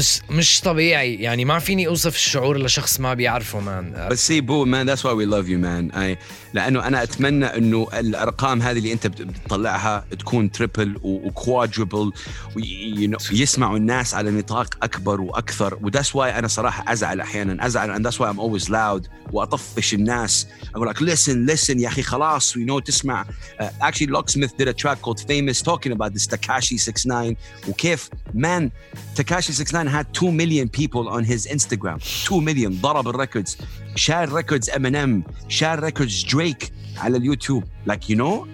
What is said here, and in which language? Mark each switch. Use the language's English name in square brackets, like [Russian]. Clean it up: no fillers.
[Arabic] مش طبيعي, يعني ما فيني أوصف الشعور لشخص ما بيعرفه, مان. [English] But see, boo, man, that's why we love you, man. [Arabic] لأنه أنا أتمنى أنه الأرقام هذه اللي أنت بتطلعها تكون تريبل وكوادربل, يسمعوا الناس على نطاق أكبر وأكثر. و [English] that's why [Arabic] أنا صراحة أزعل أحيانا, أزعل, [English] and that's why I'm always loud [Arabic] وأطفش الناس, أقول لك [English] listen [Arabic] يا أخي خلاص, [English] you know, [Arabic] تسمع. [English] Actually, Locksmith did a track called Famous talking about this Tekashi 6ix9ine, [Arabic] وكيف, [English] man, Tekashi 6ix9ine had 2 million people on his Instagram. [Arabic] 2 million, ضرب الريكوردز, شار ريكوردز Eminem, شار ريكوردز Drake على اليوتيوب, [English] like, you know.